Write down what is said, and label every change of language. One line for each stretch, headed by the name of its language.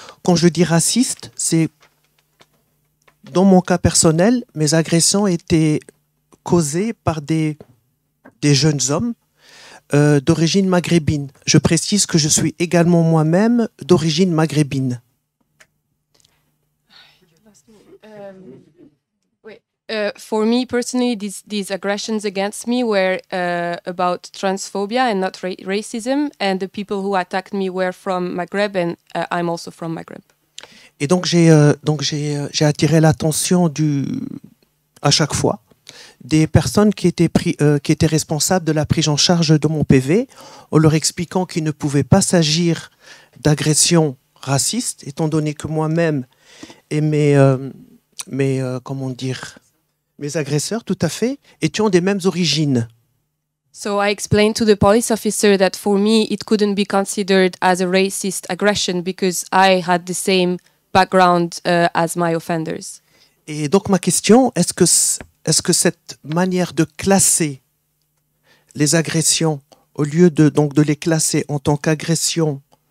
French: Quand je dis raciste, c'est dans mon cas personnel, mes agressions étaient causées par des jeunes hommes d'origine maghrébine. Je précise que je suis également moi-même d'origine maghrébine.
English: For me personally, these aggressions against me were about transphobia and not racism. And the people who attacked me were from Maghreb, and I'm also from Maghreb.
French: Et donc j'ai attiré l'attention à chaque fois des personnes qui étaient responsables de la prise en charge de mon PV en leur expliquant qu'il ne pouvait pas s'agir d'agression raciste étant donné que moi-même et mes agresseurs tout à fait étions des mêmes origines.
English: So I explained to the police officer that for me it couldn't be considered as a racist aggression because I had the same background as my offenders.
French: Et donc ma question, est-ce que cette manière de classer les agressions au lieu de les classer en tant qu'agression